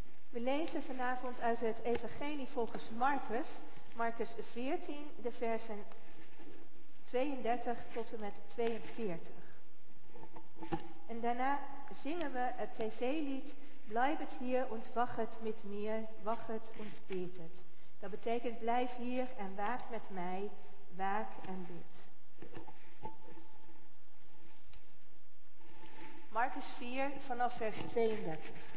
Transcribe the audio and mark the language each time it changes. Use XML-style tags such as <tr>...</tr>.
<nl>We lezen vanavond uit het Evangelie volgens Marcus, Marcus 14, de versen 32 tot en met 42. En daarna zingen we het TC-lied,</nl> <de>Bleibet hier und wachet mit mir, wachet und betet.</de> <nl>Dat betekent, blijf hier en waak met mij, waak en bid. Marcus 4, vanaf vers 32.</nl>